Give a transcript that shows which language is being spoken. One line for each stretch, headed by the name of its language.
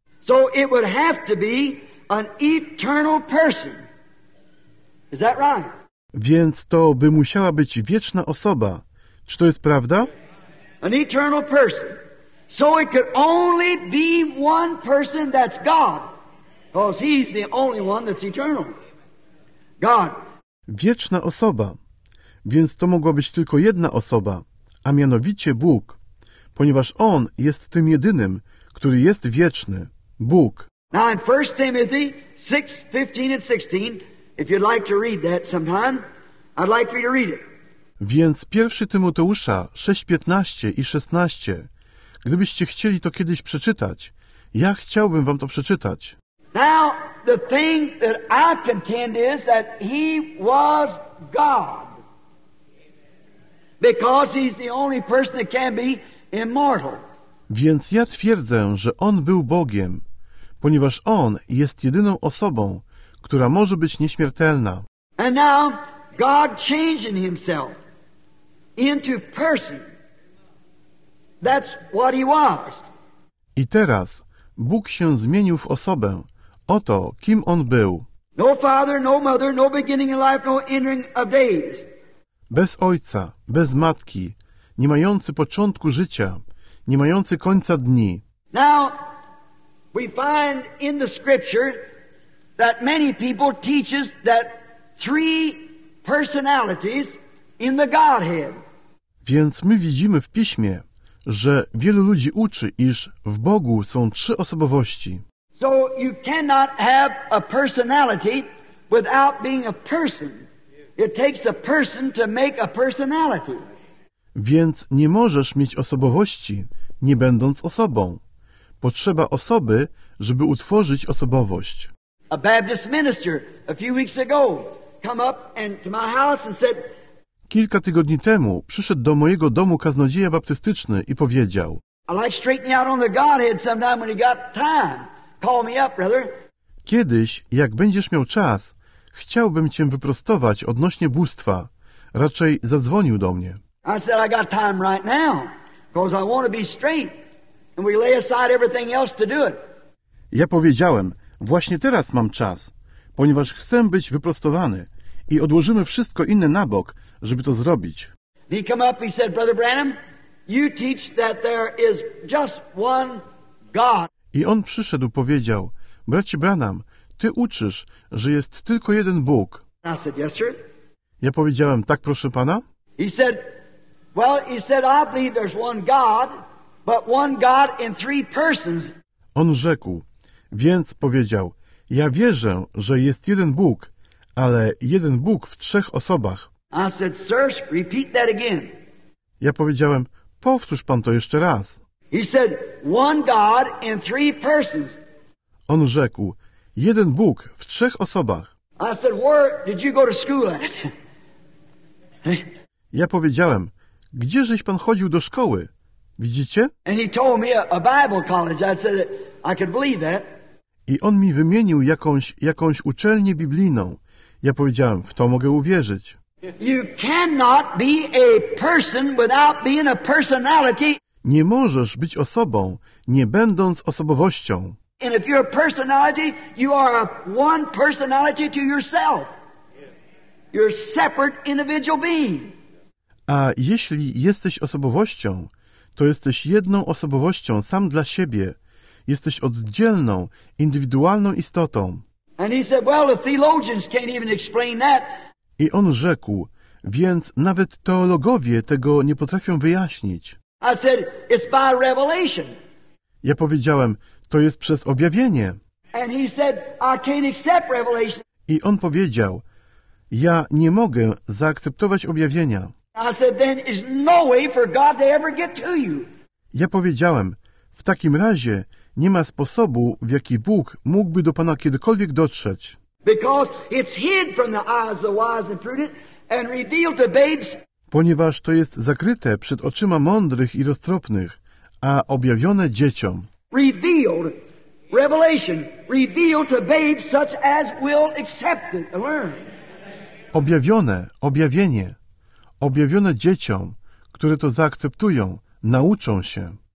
English: So it would have to be an eternal person. Is that right?
Polish: Więc to by musiała być wieczna osoba. Czy to jest prawda?
English: An eternal person. So it could only be one person, that's God. Because he's the only one that's eternal. God.
Polish: Wieczna osoba. Więc to mogła być tylko jedna osoba, a mianowicie Bóg. Ponieważ on jest tym jedynym, który jest wieczny. Bóg.
English: Now in 1 Timothy 6:15 and 16, if you'd like to read that sometime, I'd like for you to read it.
Polish: Więc 1 Tymoteusza 6:15 i 16. Gdybyście chcieli to kiedyś przeczytać, ja chciałbym wam to przeczytać.
English: Now the thing that I contend is that he was God. Because he's the only person that can be immortal.
Polish: Więc ja twierdzę, że on był Bogiem, ponieważ on jest jedyną osobą, która może być nieśmiertelna.
English: And now God changing himself into person. That's what he was.
Polish: I teraz Bóg się zmienił w osobę. Oto kim on był.
English: No father, no mother, no beginning of life, no ending of days.
Polish: Bez ojca, bez matki, nie mający początku życia, nie mający końca dni.
English: Now we find in the scripture that many people teaches that three personalities in the Godhead.
Polish: Więc my widzimy w Piśmie, że wielu ludzi uczy, iż w Bogu są trzy osobowości.
English: So you cannot have a personality without being a person. It takes a person to make a personality.
Polish: Więc nie możesz mieć osobowości, nie będąc osobą. Potrzeba osoby, żeby utworzyć osobowość.
English: A Baptist minister a few weeks ago come up and to my house and said.
Polish: Kilka tygodni temu przyszedł do mojego domu kaznodzieja baptystyczny i powiedział.
English: I like straightening out on the Godhead sometime when you got time. Call me up, brother.
Polish: Kiedyś, jak będziesz miał czas, chciałbym cię wyprostować odnośnie bóstwa. Raczej zadzwonił do mnie.
English: I said I got time right now, because I want to be straight, and we lay aside everything else to do it.
Polish: Ja powiedziałem, właśnie teraz mam czas, ponieważ chcę być wyprostowany i odłożymy wszystko inne na bok, żeby to zrobić.
English: He came up, he said, Brother Branham, you teach that there is just one God.
Polish: I on przyszedł, powiedział, bracie Branham, ty uczysz, że jest tylko jeden Bóg.
English: I said, yes, sir.
Polish: Ja powiedziałem, tak, proszę Pana.
English: He said, well, he said, I believe there's one God, but one God in three persons.
Polish: On rzekł, więc powiedział, ja wierzę, że jest jeden Bóg, ale jeden Bóg w trzech osobach.
English: I said, sir, repeat that again.
Polish: Ja powiedziałem, powtórz pan to jeszcze raz.
English: He said, one God in three persons.
Polish: On rzekł, jeden Bóg w trzech osobach.
English: I said, where did you go to school at?
Polish: Ja powiedziałem, gdzie żeś pan chodził do szkoły? Widzicie?
English: And he told me a Bible college. I said, I could believe that.
Polish: I on mi wymienił jakąś uczelnię biblijną. Ja powiedziałem, w to mogę uwierzyć.
English: You cannot be a person without being a personality.
Polish: Nie możesz być osobą, nie będąc osobowością.
English: And if you're a personality, you are a one personality to yourself. You're a separate individual being.
Polish: A jeśli jesteś osobowością, to jesteś jedną osobowością sam dla siebie. Jesteś oddzielną, indywidualną istotą.
English: And he said, well, the theologians can't even explain that.
Polish: I on rzekł, więc nawet teologowie tego nie potrafią wyjaśnić.
English: I said, it's by revelation.
Polish: Ja powiedziałem, to jest przez objawienie.
English: And he said, I can't accept revelation.
Polish: I on powiedział, ja nie mogę zaakceptować objawienia.
English: I said, then is no way for God to ever get to you.
Polish: Ja powiedziałem, w takim razie nie ma sposobu, w jaki Bóg mógłby do Pana kiedykolwiek dotrzeć.
English: Because it's hid from the eyes of the wise and prudent and revealed to babes.
Polish: Ponieważ to jest zakryte przed oczyma mądrych i roztropnych, a objawione dzieciom.
English: Revealed, revelation, revealed to babes such as will accept it, learn.
Polish: Objawione, objawienie. Objawione dzieciom, które to zaakceptują, nauczą się.